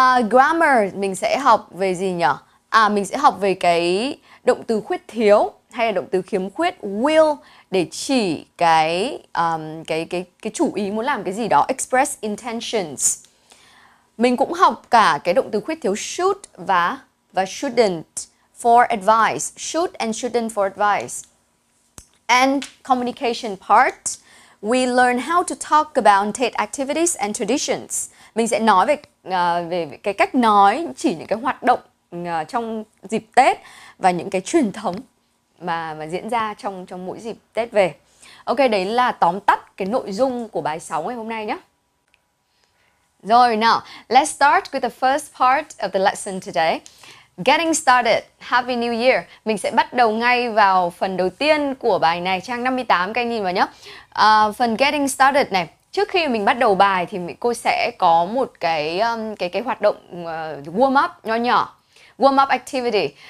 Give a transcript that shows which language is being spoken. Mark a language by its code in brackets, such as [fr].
[vi] Grammar, mình sẽ học về gì nhỉ? Mình sẽ học về cái động từ khuyết thiếu hay là động từ khiếm khuyết will, để chỉ cái chủ ý muốn làm cái gì đó, [en] express intentions. [vi] Mình cũng học cả cái động từ khuyết thiếu should và shouldn't for advice, [en] should and shouldn't for advice. And communication part, we learn how to talk about Tet activities and traditions. [vi] Mình sẽ nói về về cái cách nói, chỉ những cái hoạt động trong dịp Tết và những cái truyền thống mà diễn ra trong mỗi dịp Tết về. Ok, đấy là tóm tắt cái nội dung của bài 6 ngày hôm nay nhé. Rồi nào, [en] let's start with the first part of the lesson today. Getting started, Happy New Year. [vi] Mình sẽ bắt đầu ngay vào phần đầu tiên của bài này, trang 58, các anh nhìn vào nhé. Phần getting started này, trước khi mình bắt đầu bài thì cô sẽ có một cái hoạt động warm up nhỏ nhỏ, warm up activity.